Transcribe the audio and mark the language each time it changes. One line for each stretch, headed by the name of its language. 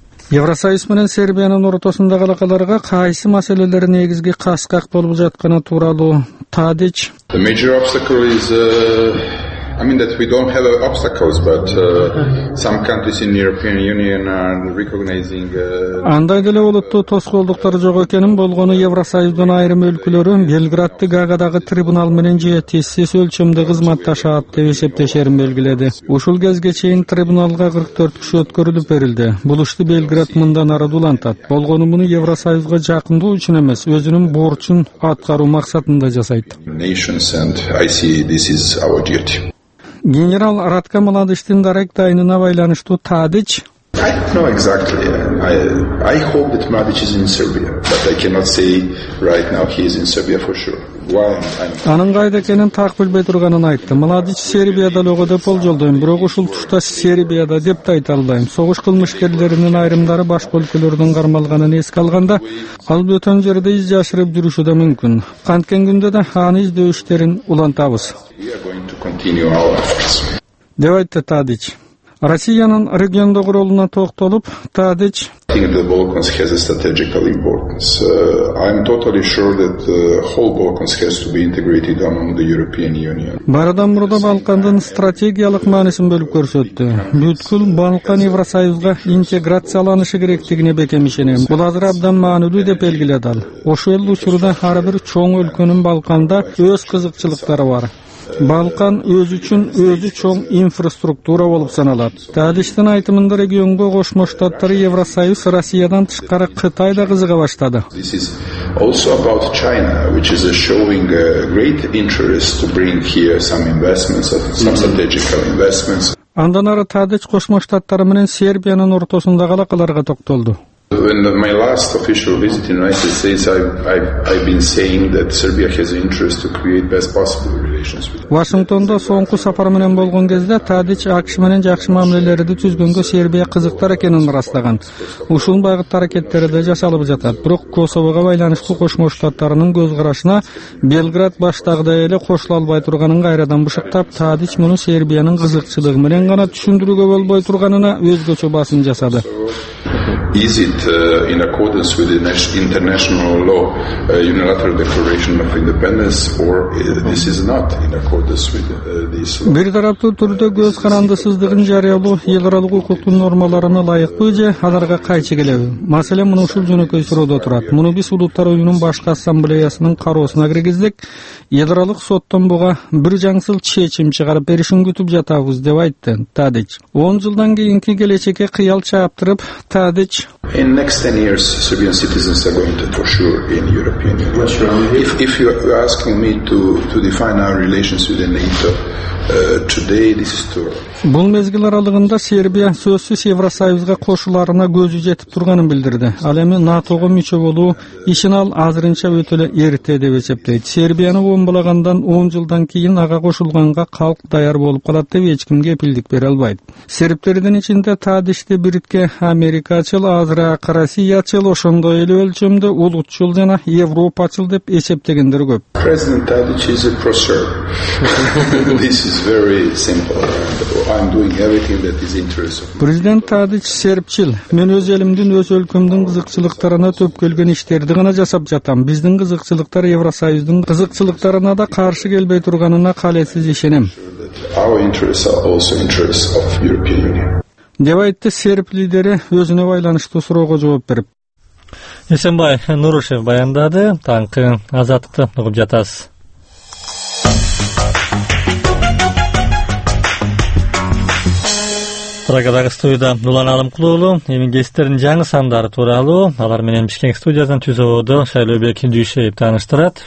Kyrgyz: Евросоюз менен Сербиянын ортосундагы алакаларга кайсы маселелер негизги каскак болуп жатканы тууралуу Тадич.
English: The major obstacle is that we don't have obstacles but some countries in the European Union are recognizing
Kyrgyz: Андай деле олуттуу тоскоолдуктар жок экенин болгону Евросоюздун айрым өлкөлөрү Белграддагы Гаагадагы трибунал менен жетишсиз өлчөмдө кызматташат деп эсептешерин белгиледи. Ушул кезге чейин трибуналга 44 киши өткөрүлүп берилди. Бул ишти Белград мындан ары улантат. Болгону муну Евросоюзга жакындуу үчүн эмес, өзүнүн борчун аткаруу максатында жасайт.
English: Nations and I see this is our duty.
Kyrgyz: Генерал Радко Младиштин даректайына байланыштуу Тадич.
English: I don't know exactly. I hope that Mladic is in Serbia, but I cannot say right now he is in Serbia for sure.
Kyrgyz: Анын кайда экенин так билбей турганын айтты. Младич Сербияда лого деп болжолдойм, бирок ушул тушта Сербияда деп да айта албайм. Согуш кылмышкерлеринин айрымдары башка өлкөлөрдүн кармалганын эске алганда, ал бөтөн жерде из жашырып жүрүшү да мүмкүн. Канткен күндө да аны издөө иштерин улантабыз. Деп айтты Тадич. Россиянын региондогу ролуна токтолуп, Тадич
English: The Balkans has a strategic importance. I'm totally sure that the whole Balkans has to be integrated among the European Union.
Kyrgyz: Барадан мурда Балкандын стратегиялык маанисин бөлүп көрсөттү. Бүткүл Балкан Евросоюзга интеграцияланышы керектигине бекем ишенем. Бул азыр абдан маанилүү деп белгиледи ал. Ошол учурда ар бир чоң өлкөнүн Балканда өз кызыкчылыктары бар. Балкан өз үчүн өзү чоң инфраструктура болуп саналат. Тадиштин айтымында региондо кошмо штаттар Евросоюз Россиядан тышкары Кытай да кызыга баштады.
English: This is also about China, which is showing a great interest to bring here some investments, some strategic investments.
Kyrgyz: Андан ары Тадич кошмо штаттары менен Сербиянын ортосундагы алакаларга токтолду.
English: In my last official visit in the United States, I've been saying that Serbia has an interest to create best possible relations with
Kyrgyz: Вашингтондо соңку сапар менен болгон кезде Тадич АКШ менен жакшы мамилелерди түзгөнгө Сербия кызыктар экенин ырастаган. Ушул багытта аракеттер да жасалып жатат. Бирок Косового байланыштуу кошмо штаттарынын көз карашына Белград баштагыдай эле кошула албай турганын кайрадан бышыктап, Тадич муну Сербиянын кызыкчылыгы менен гана түшүндүрүүгө болбой турганына өзгөчө басым жасады.
English: Is it in accordance with the international law, unilateral declaration of independence, or this is not in accordance with this law?
Kyrgyz: Бир тараптуу түрдө көз карандысыздыгын жарыялоо эл аралык укуктун нормаларына ылайыкпы же аларга кайчы келеби? Маселе муну ушул жөнөкөй суроодо турат. Муну биз улуттар уюмунун башкы ассамблеясынын кароосуна киргиздик. Эл аралык соттон буга бир жаңсыл чечим чыгарып беришин күтүп жатабыз деп айтты Тадич. 10 жылдан кийинки келечекке кыял чаптырып Тадич
English: In next 10 years, Serbian citizens are going to for sure in European Union. What's your view? If you're asking me to define our relations with NATO, today this is too early.
Kyrgyz: Бул мезгил аралыгында Сербия сөзсүз Евросоюзга кошуларына көзү жетип турганын билдирди. Ал эми НАТОго мүчө болуу ишин ал азырынча өтө эле эрте деп эсептейт. Сербияны бомбалагандан 10 жылдан кийин ага кошулганга калк даяр болуп калат деп эч кимге билдик бере албайт. Сербтердин ичинде таадишти биритке Америкачыл, азыраак Россиячыл, ошондой эле өлчөмдө улутчул жана Европачыл деп эсептегендер көп.
English: President Tadic is a pro-Serb. This is very simple. I'm doing everything that is interest of me.
Kyrgyz: Президент Тадич сербчил. Мен өз элимдин, өз өлкөмдүн кызыкчылыктарына төп келген иштерди гана жасап жатам. Биздин кызыкчылыктар Евросоюздун кызыкчылыктарына да каршы келбей турганына калесиз ишенем.
English: Our interests are also interests of European Union.
Kyrgyz: Деп айтты серб лидери өзүнө байланыштуу суроого жооп берип. Эсенбай Нурушев баяндады. Таңкы азаттыкты угуп жатасыз. Трагадагы студияда Нулан Алымкулуулу эми кесиптердин жаңы сандары тууралуу алар менен Бишкек студиясынан түзөөдө Шайлообек Дүйшөев тааныштырат.